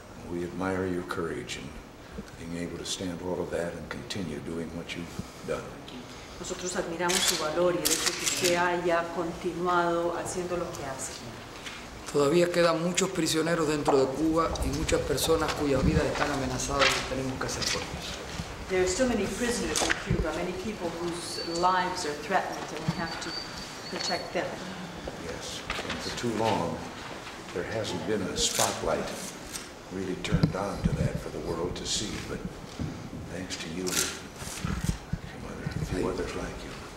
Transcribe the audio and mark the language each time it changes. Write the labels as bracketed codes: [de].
[en] We admire your courage in being able to stand all of that and continue doing what you've done. [es] Nosotros admiramos su valor y el hecho de que haya continuado haciendo lo que hace. Todavía quedan muchos prisioneros dentro de Cuba y muchas personas cuyas vidas están amenazadas y tenemos que hacer por ellos. [en] There are so many prisoners in Cuba, many people whose lives are threatened, and we have to protect them. Yes, and for too long, there hasn't been a spotlight really turned on to that for the world to see, but thanks to you, a few others like you.